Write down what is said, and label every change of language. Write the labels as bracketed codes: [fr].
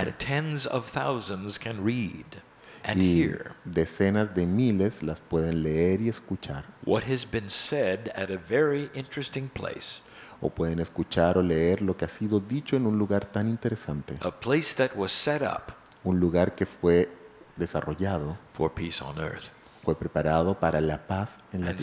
[en] And tens of thousands can read and hear. [es] Decenas de miles las pueden leer y escuchar. [en] What has been said at a very interesting place. [es] O pueden escuchar o leer lo que ha sido dicho en un lugar tan interesante. [en] A place that was set up. [es] Un lugar que fue desarrollado. [en] For peace on earth. [es] Fue preparado para la paz en la tierra.